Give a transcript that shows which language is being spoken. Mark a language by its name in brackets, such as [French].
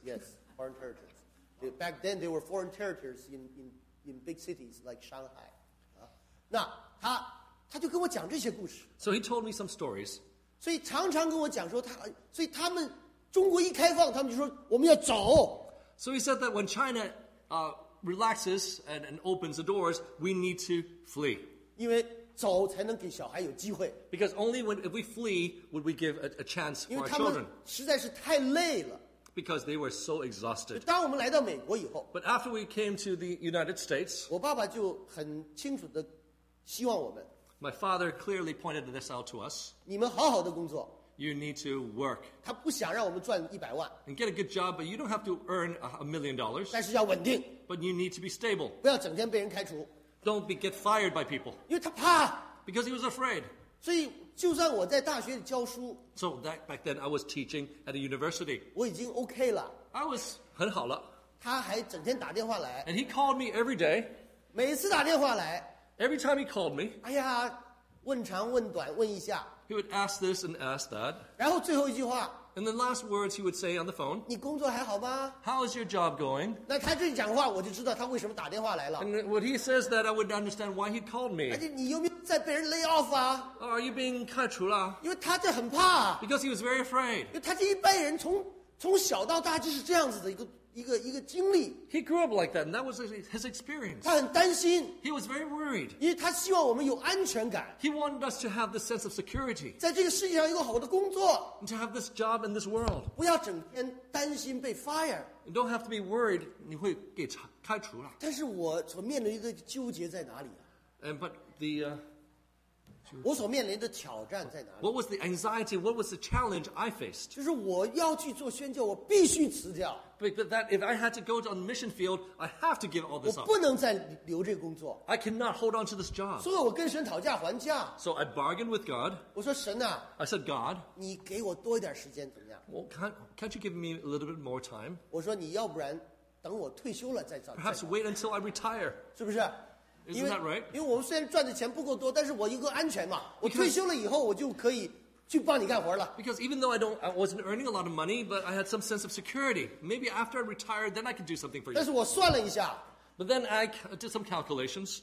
[English] Yes, foreign territories. Back then, there were foreign territories in big cities like Shanghai. [Chinese] 那他就跟我讲这些故事。 [English] So he told me some stories. [Chinese] 所以常常跟我讲说他，所以他们中国一开放，他们就说我们要走。 [English] So he said that when China relaxes and opens the doors, we need to flee. [Chinese] 因为走才能给小孩有机会。 [English] Because only when if we flee would we give a chance for our children. [Chinese] 因为他们实在是太累了。 [English] Because they were so exhausted. [Chinese] 当我们来到美国以后。 [English] But after we came to the United States. [Chinese] 我爸爸就很清楚地希望我们。 [English] My father clearly pointed this out to us. [Chinese] 你们好好的工作。 [English] You need to work. [Chinese] 他不想让我们赚100万。 [English] And get a good job, but you don't have to earn $1 million. [Chinese] 但是要稳定。 [English] But you need to be stable. [Chinese] 不要整天被人开除。 [English] Don't get fired by people. [Chinese] 因为他怕。 [English] Because he was afraid. [Chinese] 所以就算我在大学里教书。 [English] So back then I was teaching at a university. [Chinese] 我已经 OK 了。 [English] I was [Chinese] 很好了。他还整天打电话来。 [English] And he called me every day. [Chinese] 每次打电话来。 [English] Every time he called me. [Chinese] 哎呀，问长问短问一下。 [English] He would ask this and ask that. [Chinese] 然后最后一句话。 [English] And the last words he would say on the phone. [Chinese] 你工作还好吗？ [English] How is your job going? [Chinese] 那他这一讲话，我就知道他为什么打电话来了。 [English] And when he says that, I would understand why he called me. [Chinese] 而且你有没有在被人 [English] lay off [Chinese] 啊？ [English] Are you being [Chinese] 开除了？因为他就很怕。 [English] Because he was very afraid. [Chinese] 因为他这一辈人从小到大就是这样子的一个经历。 [English] He grew up like that, and that was his experience. [Chinese] 他很担心。 [English] He was very worried. [Chinese] 因为他希望我们有安全感。 [English] He wanted us to have this sense of security. [Chinese] 在这个世界上有个好的工作。 [English] And to have this job in this world. [Chinese] 不要整天担心被 fire. [English] You don't have to be worried, [Chinese] 你会给开除了。但是我所面临的纠结在哪里啊？ [English] And but the, [Chinese] 我所面临的挑战在哪里？ [English] What was the anxiety? What was the challenge I faced? [Chinese] 就是我要去做宣教，我必须辞掉。 [English] But that if I had to go on the mission field, I have to give all this up. [Chinese] 我不能再留这个工作。 [English] I cannot hold on to this job. [Chinese] 所以我跟神讨价还价。 [English] So I bargained with God. [Chinese] 我说神啊。 [English] I said, God. [Chinese] 你给我多一点时间怎么样？ [English] Well, can't you give me a little bit more time? [Chinese] 我说你要不然等我退休了再找。 [English] Perhaps wait until I retire. [Chinese] 是不是？ [English] Isn't that right? [Chinese] 因为我们虽然赚的钱不够多，但是我有个安全嘛。我退休了以后，我就可以。 [English] Because even though I wasn't earning a lot of money, but I had some sense of security. Maybe after I retired, then I could do something for you. But then I did some calculations.